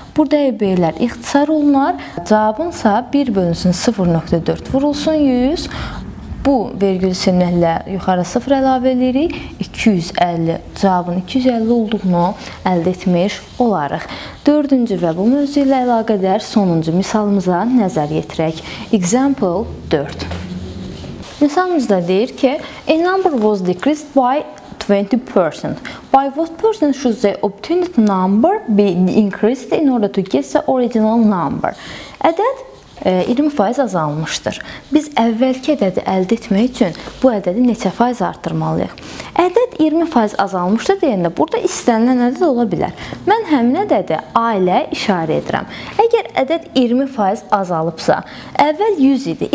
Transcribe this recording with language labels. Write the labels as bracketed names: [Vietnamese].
[Azerbaijani] Burada B-lər ixtisar olunar, cavabınsa 1 bölünsün 0.4 vurulsun 100, bu vergül sinirlə yuxarı 0 əlavə edirik, 250 cavabın 250 olduğunu əldə etmiş olarıq. Dördüncü və bu mövzu ilə əlaqədər sonuncu misalımıza nəzər yetirək. [English] Example 4. [Azerbaijani] Misalımızda deyir ki, [English] a number was decreased by 20%. By what percent should the obtained number be increased in order to get the original number? [Azerbaijani] Ədəd 20% azalmışdır. Biz əvvəlki ədədi əldə etmək üçün bu ədədi neçə faiz artırmalıyıq? Ədəd 20% azalmışdır deyəndə burada istənilən ədəd ola bilər. Mən həmin ədədi A ilə işarə edirəm. Əgər ədəd 20% azalıbsa, əvvəl 100 idi.